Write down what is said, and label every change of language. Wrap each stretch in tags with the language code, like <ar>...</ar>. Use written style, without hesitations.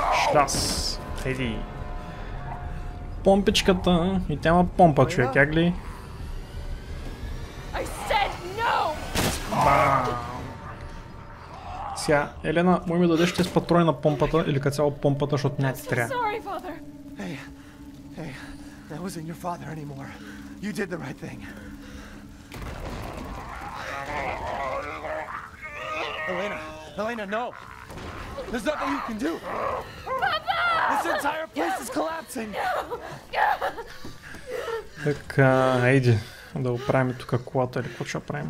<bg>Шлас! Хайди! Помпичката! И тя има помпа, човек, як ли?</bg> <en>I said no!</en> <bg>Сега, Елена, може ми дадеш тези патрони на помпата или като цяло помпата, защото не ти трябва.</bg> <en>Sorry, father. Hey, that wasn't your father anymore. You did the right thing. Elena, Elena, no! There's nothing you can do! Papa! This entire place is collapsing!</en> <bg>Така, хайде да оправим тук колата или какво ще правим.</bg>